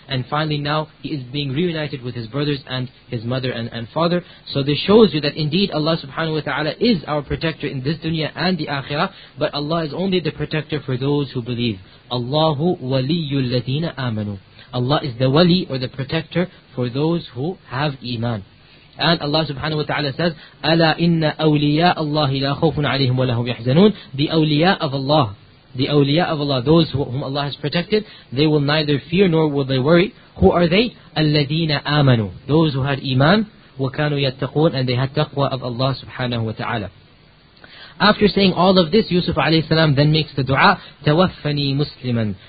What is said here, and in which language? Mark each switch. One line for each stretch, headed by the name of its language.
English: And finally now, he is being reunited with his brothers and his mother and father. So this shows you that indeed Allah subhanahu wa ta'ala is our protector in this dunya and the akhirah. But Allah is only the protector for those who believe.
Arabic: Allahu waliyul ladina amanu.
English: Allah is the wali or the protector for those who have iman. And Allah subhanahu wa ta'ala says,
Arabic: أَلَا إِنَّ أَوْلِيَاءَ اللَّهِ لَا خَوْفٌ عَلَيْهِمْ وَلَا هُمْ يَحْزَنُونَ.
English: The awliya of Allah, the awliya of Allah, those whom Allah has protected, they will neither fear nor will they worry. Who are they?
Arabic: الَّذِينَ آمَنُوا.
English: Those who had iman,
Arabic: وَكَانُوا يَتَّقُونَ,
English: and they had taqwa of Allah subhanahu wa ta'ala. After saying all of this, Yusuf alayhi salam then makes the dua,
Arabic: تَوَفَّنِي مُسْلِمًا.